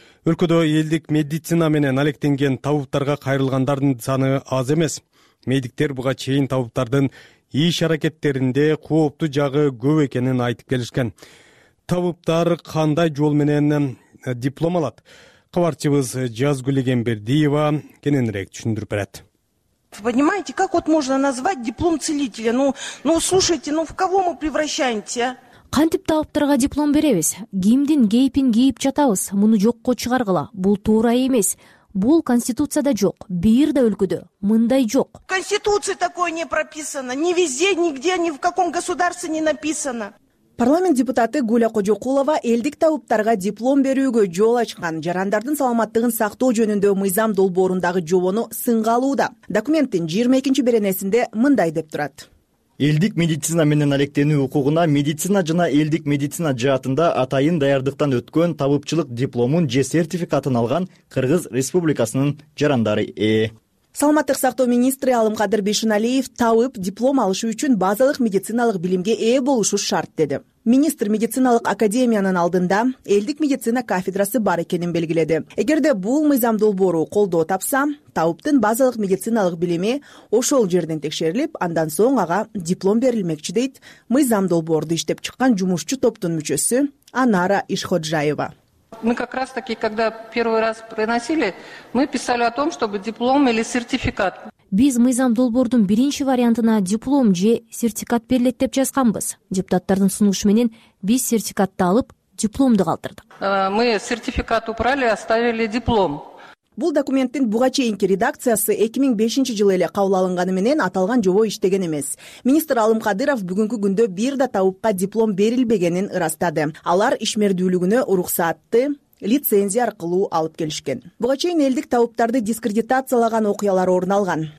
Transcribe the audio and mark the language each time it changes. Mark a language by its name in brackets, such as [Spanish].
[Kyrgyz] Өлкөдө элдик медицина менен алектенген табыптарга кайрылгандардын саны аз эмес. Медиктер буга чейин табыптардын иш аракеттеринде кооптуу жагы көп экенин айтып келишкен. Табыптар кандай жол менен диплом алат? Кабарчыбыз Жазгүл Эгембердиева кененирээк түшүндүрүп берет. [Russian] Вы понимаете, как вот можно назвать диплом целителя? Слушайте, в кого мы превращаемся? [Kyrgyz] Кантип табыптарга диплом беребиз? Кимдин кейпин кийип жатабыз? Муну жокко чыгаргыла. Бул туура эмес. Бул конституцияда жок. Бир да өлкөдө мындай жок. [Russian] В конституции такое не прописано. Ни везде, нигде, ни в каком государстве не написано. [Kyrgyz] Парламент депутаты Гуля Кожокулова элдик табыптарга диплом берүүгө жол ачкан жарандардын саламаттыгын сактоо жөнүндө мыйзам долбоорундагы жобону сынга алууда. Документтин 22-беренесинде мындай деп турат. Элдик медицина менен алектенүү укугуна медицина жана элдик медицина жаатында атайын даярдыктан өткөн табыпчылык дипломун же сертификатын алган Кыргыз Республикасынын жарандары ээ. Саламаттык сактоо министри Алымкадыр Бейшиналиев табып диплом алышы үчүн базалык медициналык билимге ээ болушу шарт деди. Министр медициналык академиянын алдында элдик медицина кафедрасы бар экенин белгиледи. Эгерде бул мыйзам долбоору колдоо тапса, табыптын базалык медициналык билими ошол жерден текшерилип, андан соң ага диплом берилмекчи дейт мыйзам долбоорду иштеп чыккан жумушчу топтун мүчөсү Анара Ишходжаева. [Russian] Мы как раз таки, когда первый раз приносили, мы писали о том, чтобы диплом или сертификат. [Kyrgyz] Биз мыйзам долбоордун биринчи вариантына диплом же сертификат берилет деп жазганбыз. Депутаттардын сунушу менен биз сертификатты алып, дипломду калтырдык. [Russian] Мы сертификат убрали, оставили диплом. [Kyrgyz] Бул документтин буга чейинки редакциясы 2005 жылы эле кабыл алынганы менен аталган жобо иштеген эмес. Министр Алымкадыров бүгүнкү күндө бир да табыпка диплом берилбегенин ырастады. Алар ишмердүүлүгүнө уруксаатты лицензия аркылуу алып келишкен. Буга чейин элдик табыптарды дискредитациялаган окуялар орун алган.